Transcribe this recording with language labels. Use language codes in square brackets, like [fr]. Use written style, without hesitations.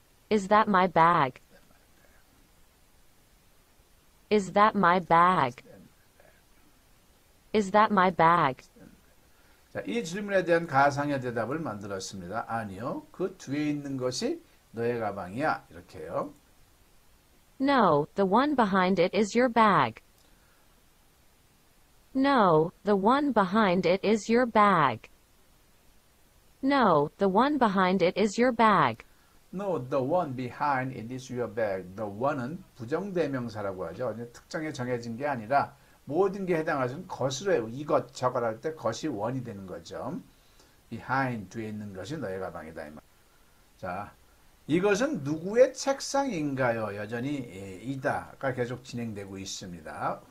[en] Is that my bag? Is that my bag? Is that my bag? [ko] 자, 이 질문에 대한 가상의 대답을 만들었습니다. 아니요. 그 뒤에 있는 것이 너의 가방이야. 이렇게요. [en] No, the one behind it is your bag. No, the one behind it is your bag. No, the one behind it is your bag. No, the one behind it is your bag. The one [ko] 은 부정대명사라고 하죠. 특정에 정해진 게 아니라 모든 게 해당하는 것으로 해요. 이것 저걸 할때 것이 원이 되는 거죠. Behind 뒤에 있는 것이 너의 가방이다. 자, 이것은 누구의 책상인가요? 여전히 이다가 계속 진행되고 있습니다.